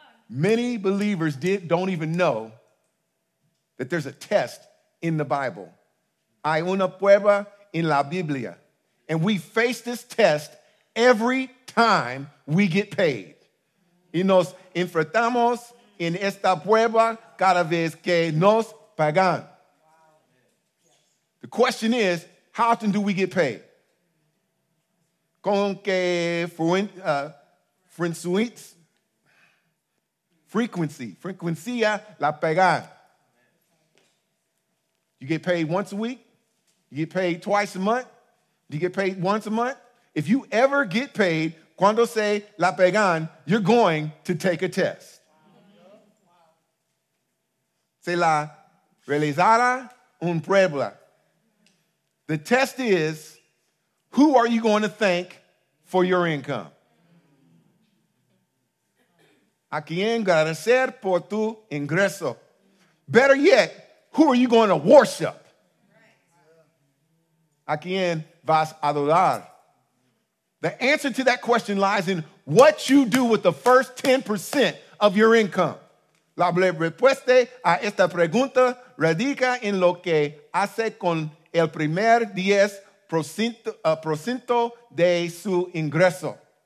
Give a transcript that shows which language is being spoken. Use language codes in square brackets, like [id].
[en] Many believers don't even know that there's a test in the Bible. [es] Hay una prueba en la Biblia. [en] And we face this test every time we get paid. [es] Y nos enfrentamos en esta prueba cada vez que nos pagan. [en] The question is, how often do we get paid? [es] Con que frecuencia la pagan. [en] You get paid once a week? You get paid twice a month? Do you get paid once a month? If you ever get paid, [es] cuando se la pagan, [en] you're going to take a test. [es] Se la realizará un prueba. [en] The test is, who are you going to thank for your income? [es] ¿A quién agradecer por tu ingreso? [en] Better yet, who are you going to worship? [es] ¿A quién vas a adorar? [en] The answer to that question lies in what you do with the first 10% of your income. [es] La respuesta a esta pregunta radica en lo que hace con el primer 10% de su ingreso.